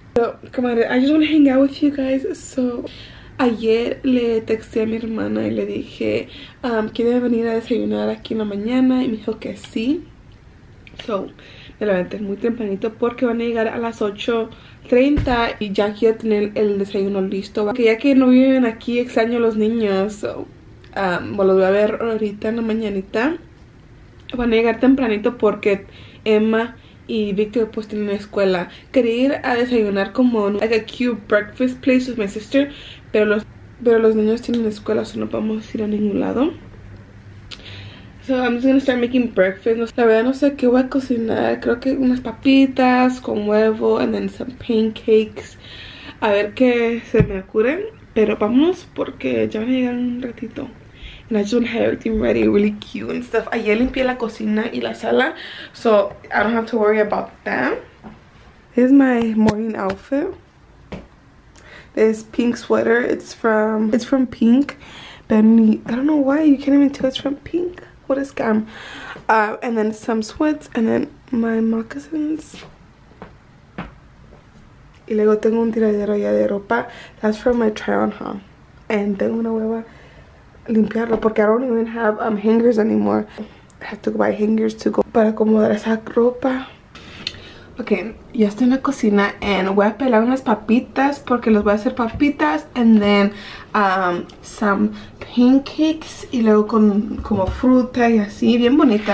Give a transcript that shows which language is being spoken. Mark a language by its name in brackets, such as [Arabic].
[English] So, come on, I just want to hang out with you guys. [Spanish] So, ayer le texté a mi hermana y le dije, ¿quiere venir a desayunar aquí en la mañana? Y me dijo que sí. So, me levanté muy tempranito porque van a llegar a las 8:30 y ya quiero tener el desayuno listo. Porque ya que no viven aquí, extraño a los niños. So, bueno, los voy a ver ahorita en la mañanita. Van a llegar tempranito porque Emma y Víctor pues tienen escuela. Quería ir a desayunar como en like a cute breakfast place with my sister, pero los niños tienen escuela, o sea, no vamos a ir a ningún lado. [English] So I'm just gonna start making breakfast. [Spanish] La verdad no sé qué voy a cocinar. Creo que unas papitas con huevo and then some pancakes. A ver qué se me ocurren. Pero vámonos porque ya van a llegar un ratito. [English] And I just want to have everything ready, really cute and stuff. Ayer limpié la cocina y la sala, so I don't have to worry about that. This is my morning outfit. This pink sweater, it's from Pink. Benny, I don't know why, you can't even tell it's from Pink. What a scam. And then some sweats, and then my moccasins. [Spanish] Y luego tengo un tiradero allá de ropa. [English] That's from my try-on haul. And tengo una hueva limpiarlo porque I don't even have hangers anymore. I have to buy hangers to go para acomodar esa ropa. [Spanish] Okay, ya estoy en la cocina and voy a pelar unas papitas porque los voy a hacer papitas and then some pancakes y luego con como fruta y así, bien bonita.